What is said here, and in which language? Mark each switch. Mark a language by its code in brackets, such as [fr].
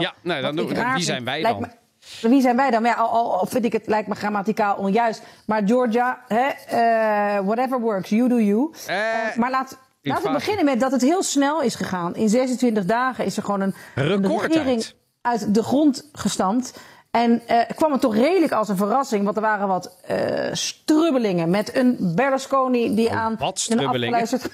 [nl] Ja, nou, dan wie zijn wij dan? Wie zijn wij dan? Ja, al vind ik het, lijkt me grammaticaal onjuist. [en] Maar Georgia, hè, whatever works, you do you. [nl] Maar laten we beginnen met dat het heel snel is gegaan. In 26 dagen is er gewoon een regering uit de grond gestampt. En kwam het toch redelijk als een verrassing, want er waren wat strubbelingen met een Berlusconi die aan... Wat strubbelingen?